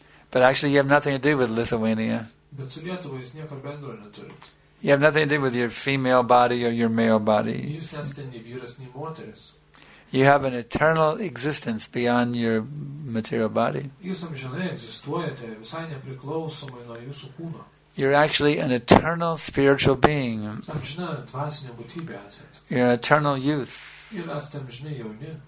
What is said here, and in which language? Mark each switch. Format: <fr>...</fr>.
<en>But actually, you have nothing to do with Lithuania.</en> <lt>Bet su Lietuva jūs nieko bendro neturit.</lt> <en>You have nothing to do with your female body or your male body.</en> <lt>Jūs nesate nei vyras, nei moteris.</lt> <en>You have an eternal existence beyond your material body.</en> <lt>Jūs amžinai egzistuojate visai nepriklausomai nuo jūsų kūno.</lt> <en>You're actually an eternal spiritual being.</en> <lt>Amžina dvasinė būtybė esat.</lt> <en>You're an eternal youth.</en> <lt>Jūs esate amžinai jauni.</lt>